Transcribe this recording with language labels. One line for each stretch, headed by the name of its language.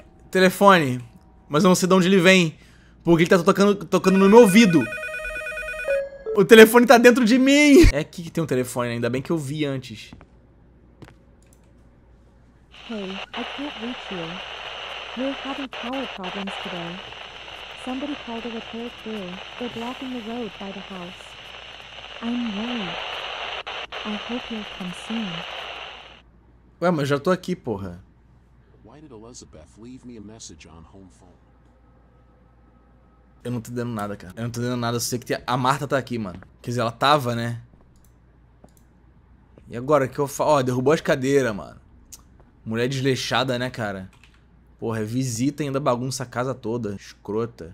Portuguese: Telefone, mas eu não sei de onde ele vem, porque ele tá tocando no meu ouvido. O telefone tá dentro de mim. É aqui que tem um telefone, ainda bem que eu vi antes.
English: Hey, I can't reach you. We're having power problems today. Somebody called a repair crew. They're blocking the road by the house. I'm worried. I hope you'll come soon.
Portuguese: Ué, mas já tô aqui, porra.
English: Why did Elizabeth leave me a message on home phone?
Portuguese: Eu não tô dando nada, cara. Eu não tô dando nada, eu sei que tem... A Martha tá aqui, mano. Quer dizer, ela tava, né? E agora, o que eu falo? Ó, derrubou as cadeiras, mano. Mulher desleixada, né, cara? Porra, visita ainda bagunça a casa toda. Escrota.